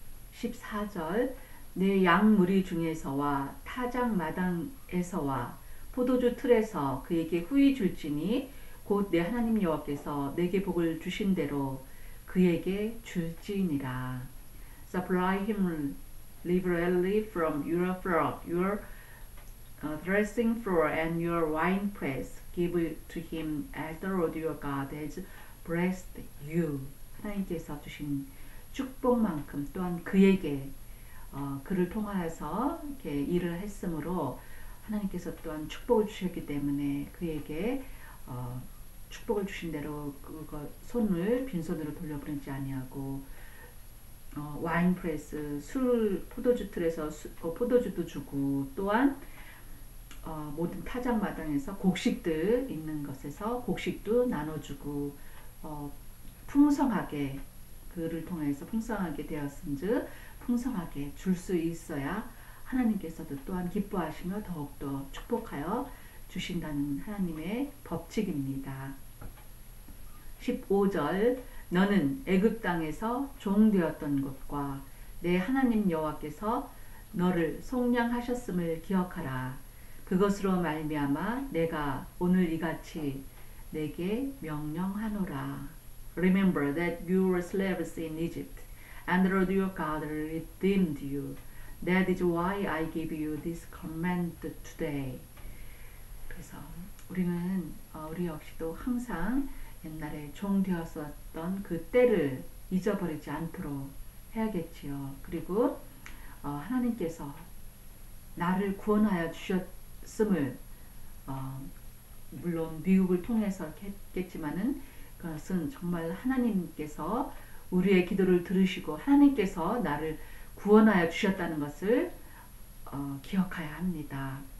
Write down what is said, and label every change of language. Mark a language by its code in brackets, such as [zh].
[ko] 14절 내 양 무리 중에서와 타작 마당에서와 포도주 틀에서 그에게 후이 줄지니 곧 내 하나님 여호와께서 내게 복을 주신 대로 그에게 줄지니라. [en] Supply him liberally from your flock, your threshing floor, and your wine press. Give to him as the Lord your God has blessed you. [ko] 하나님께서 주신 축복만큼 또한 그에게 그를 통하여서 이렇게 일을 했으므로 하나님께서 또한 축복을 주셨기 때문에 그에게 축복을 주신 대로 그거 손을 빈손으로 돌려보내지 아니하고 와인프레스 술 포도주 틀에서 포도주도 주고 또한 모든 타작 마당에서 곡식들 있는 것에서 곡식도 나눠주고 풍성하게 그를 통해서 풍성하게 되었은즉 풍성하게 줄수 있어야 하나님께서도 또한 기뻐하시며 더욱더 축복하여 주신다는 하나님의 법칙입니다. 15절 너는 애굽 땅에서 종 되었던 것과 내 하나님 여호와께서 너를 속량하셨음을 기억하라. 그것으로 말미암아 내가 오늘 이같이 내게 명령하노라. [en] Remember that you were slaves in Egypt, and the Lord your God redeemed you. That is why I give you this command today. [ko] 그래서 우리는 우리 역시도 항상 옛날에 종 되었었던 그 때를 잊어버리지 않도록 해야겠지요. 그리고 하나님께서 나를 구원하여 주셨음을 물론 미국을 통해서 했겠지만은 그것은 정말 하나님께서 우리의 기도를 들으시고 하나님께서 나를 구원하여 주셨다는 것을 기억해야 합니다.